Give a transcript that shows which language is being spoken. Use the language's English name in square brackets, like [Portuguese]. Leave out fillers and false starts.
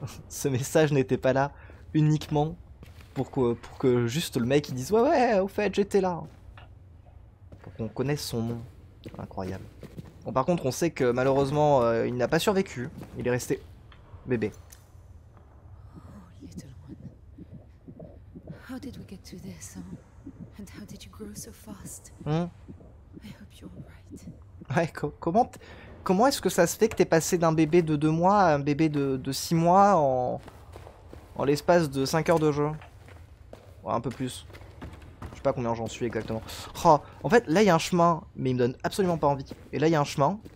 [French] Ce message n'était pas là uniquement pour que juste le mec il dise ouais au fait j'étais là, pour qu'on connaisse son nom. Incroyable. Bon, par contre on sait que malheureusement il n'a pas survécu, il est resté bébé. [English] Oh, little one. How did we get to this, and how did you grow so fast? I hope you're right. [French] Ouais, comment est-ce que ça se fait que t'es passé d'un bébé de 2 mois à un bébé de 6 mois en l'espace de 5 heures de jeu? Ouais, un peu plus. Je sais pas combien j'en suis exactement. Oh, en fait, là, il y a un chemin, mais il me donne absolument pas envie. Et là, il y a un chemin.